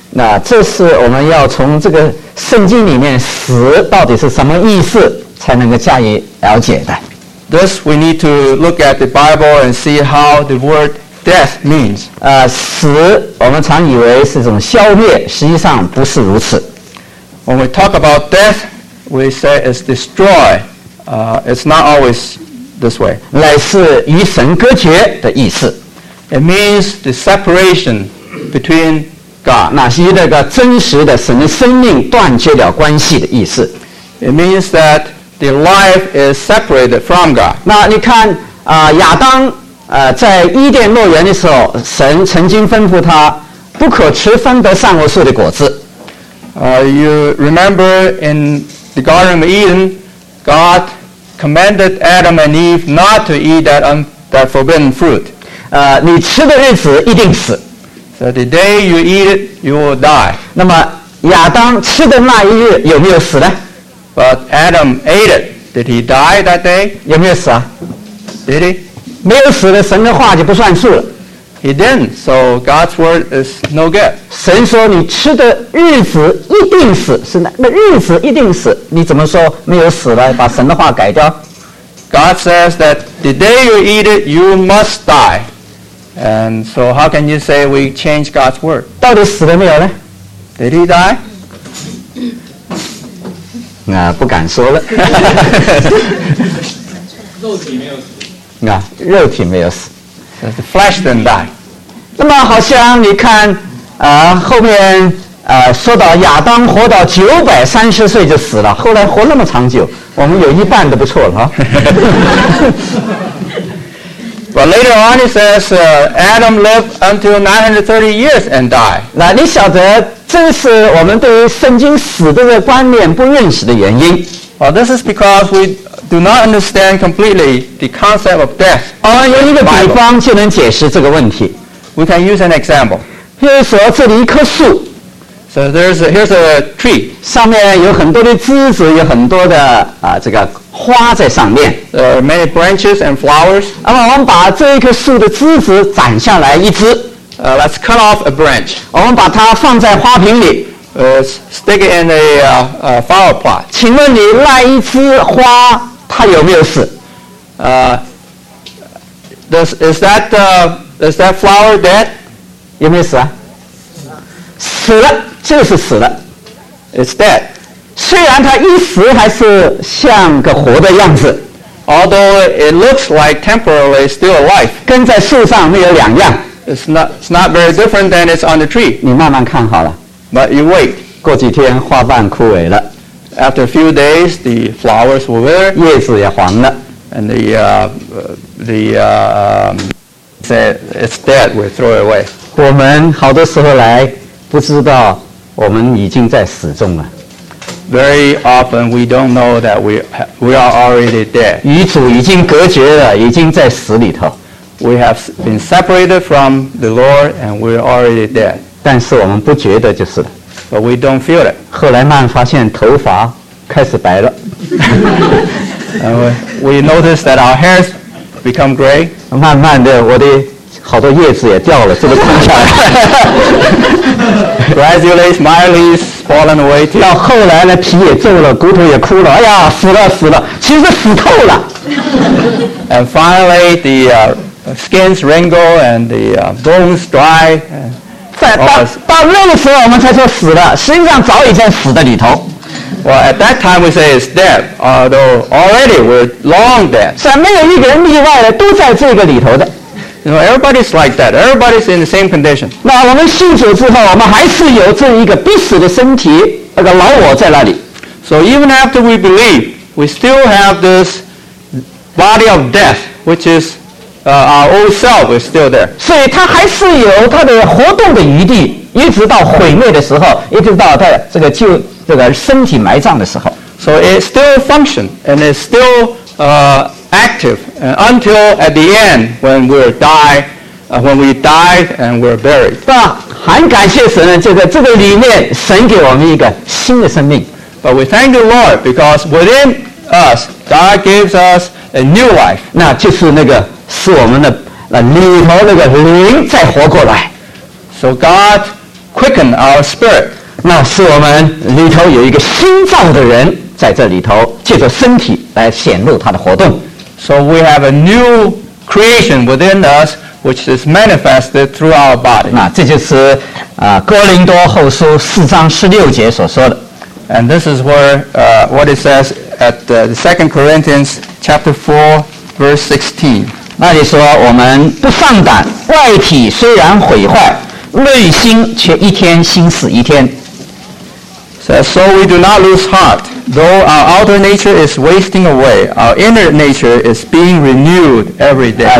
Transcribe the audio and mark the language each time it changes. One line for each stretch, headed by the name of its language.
Chinese: 那这是我们要从这个圣经里面死到底是什么意思才能够加以了解的。
English: This we need to look at the Bible and see how the word death means.
Chinese: 死我们常以为是一种消灭，实际上不是如此。
English: When we talk about death, we say it's destroy. It's not always this way.
Chinese: 乃是与神隔绝的意思。
English: It means the separation between God.
Chinese: 那是与那个真实的神的生命断绝了关系的意思。
English: It means that the life is separated from God.
Chinese: 那你看，亚当，在伊甸乐园的时候，神曾经吩咐他不可吃分得善恶树的果子。
English: You remember in the Garden of Eden, God commanded Adam and Eve not to eat that forbidden fruit.
Chinese: 你吃的日子一定死。
English: So the day you eat it, you will die.
Chinese: 那么亚当吃的那一日有没有死呢？
English: But Adam ate it. Did he die that day?
Chinese: 有没有死啊？
English: Did he?
Chinese: 没有死的，神的话就不算数了。
English: He didn't. So God's word is no good.
Chinese: 神说你吃的日子一定死，是那日子一定死。你怎么说没有死了？把神的话改掉。
English: God says that the day you eat it, you must die. And so how can you say we change God's word?
Chinese: 到底死了没有呢？
English: Did he die?
Chinese: 不敢说了。肉体没有死。肉体没有死。
English: the flesh then die.
Chinese: 那么好像你看后面说到亚当活到930岁就死了，后来活那么长久，我们有一半都不错了哈。
English: But later on, it says Adam lived until 930 years and died.
Chinese: 那你晓得，这是我们对于圣经死的这个观念不认识的原因。
English: Well, this is because we do not understand completely the concept of death.
Chinese: 用一个比方就能解释这个问题。
English: We can use an example.
Chinese: 比如说，这里一棵树。
English: So here's a tree.
Chinese: 上面有很多的枝子，有很多的这个花在上面。
English: There are many branches and flowers.
Chinese: 那么我们把这一棵树的枝子斩下来一枝。
English: Let's cut off a branch.
Chinese: 我们把它放在花瓶里。
English: Stick it in a flower pot.
Chinese: 请问你那一枝花它有没有死？
English: Is that flower dead?
Chinese: 有没有死啊？死了，就是死了。
English: It's dead.
Chinese: 虽然它一时还是像个活的样子。
English: Although it looks like temporarily still alive.
Chinese: 跟在树上没有两样。
English: It's not very different than it's on the tree.
Chinese: 你慢慢看好了。
English: But you wait.
Chinese: 过几天花瓣枯萎了。
English: After a few days, the flowers will wither.
Chinese: 叶子也黄了。
English: And it's dead, we throw it away.
Chinese: 我们好多时候来不知道我们已经在死中了。
English: Very often we don't know that we are already dead.
Chinese: 与主已经隔绝了，已经在死里头。
English: We have been separated from the Lord and we are already dead.
Chinese: 但是我们不觉得就是了。
English: But we don't feel it.
Chinese: 后来慢发现头发开始白了。
English: And we notice that our hairs become gray.
Chinese: 慢慢的我的好多叶子也掉了，这个空下来。
English: Gradually, my leaves fallen away too.
Chinese: 到后来呢，皮也皱了，骨头也枯了。哎呀，死了，死了，其实死透了。
English: And finally, the skins wrinkle and the bones dry.
Chinese: 到那个时候，我们才说死了，实际上早已经死在里头。
English: Well, at that time we say it's dead, although already we're long dead.
Chinese: 是没有一个人例外的，都在这个里头的。
English: You know, everybody's like that. Everybody's in the same condition.
Chinese: 那我们信主之后，我们还是有这一个必死的身体，那个老我在那里。
English: So even after we believe, we still have this body of death, which is our old self is still there.
Chinese: 所以它还是有它的活动的余地，一直到毁灭的时候，一直到它这个就这个身体埋葬的时候。
English: So it still functions and it's still active until at the end when we die and we're buried.
Chinese: 那很感谢神呢，这个里面神给我们一个新的生命。
English: But we thank the Lord because within us God gives us a new life.
Chinese: 那就是那个是我们的那里头那个灵再活过来。
English: So God quickened our spirit.
Chinese: 那是我们里头有一个新造的人在这里头，借着身体来显露他的活动。
English: So we have a new creation within us, which is manifested through our body.
Chinese: 那这就是哥林多后书4:16所说的。
English: And this is where what it says at the Second Corinthians chapter 4:16.
Chinese: 那里说我们不丧胆，外体虽然毁坏，内心却一天新似一天。
English: So we do not lose heart. Though our outer nature is wasting away, our inner nature is being renewed every day.